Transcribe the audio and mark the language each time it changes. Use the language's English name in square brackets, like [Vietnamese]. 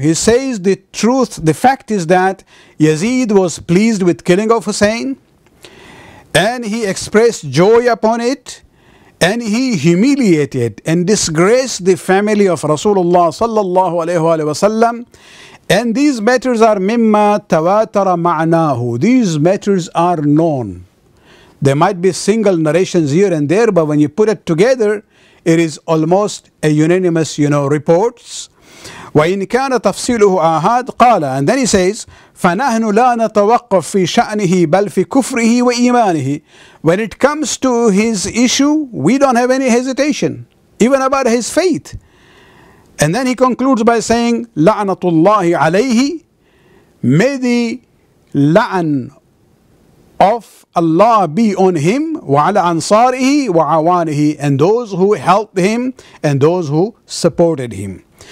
[English] He says the truth, the fact is that Yazid was pleased with killing of Hussein, and he expressed joy upon it, and he humiliated and disgraced the family of Rasulullah sallallahu alayhi wa sallam. And these matters are [Arabic] mimma tawatara ma'nahu. [English] These matters are known. There might be single narrations here and there, but when you put it together, it is almost a unanimous, you know, reports. [Arabic] وَإِنْ كَانَ تَفْصِيلُهُ آهَاد قَالَ. [English] And then he says, [Arabic] فَنَهْنُ لَا نَتَوَقَّفْ فِي شَأْنِهِ بَلْ فِي كُفْرِهِ وَإِيمَانِهِ. [English] When it comes to his issue, we don't have any hesitation, even about his faith. And then he concludes by saying, [Arabic] لَعْنَةُ اللَّهِ عَلَيْهِ. [English] May the la'an of Allah be on him, [Arabic] وَعَلَى أَنصَارِهِ وَعَوَانِهِ, [English] and those who helped him and those who supported him.